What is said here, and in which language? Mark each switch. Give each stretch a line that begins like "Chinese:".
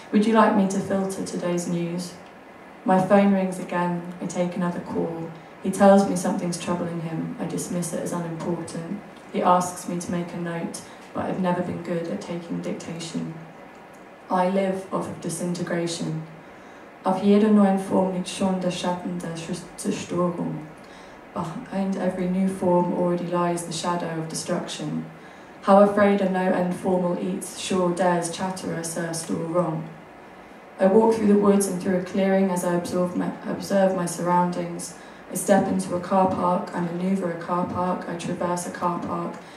English: Would you like me to filter today's news? My phone rings again. I take another call. He tells me something's troubling him. I dismiss it as unimportant. He asks me to make a note, but I've never been good at taking dictation. I live off of disintegration.
German: Auf jeder neuen Form liegt schon der Schatten der Zerstörung.
English: Behind every new form already lies the shadow of destruction. How afraid a no-end formal eats, sure dares chatterer, sir, store wrong. I walk through the woods and through a clearing as I observe my surroundings. I step into a car park, I maneuver a car park, I traverse a car park.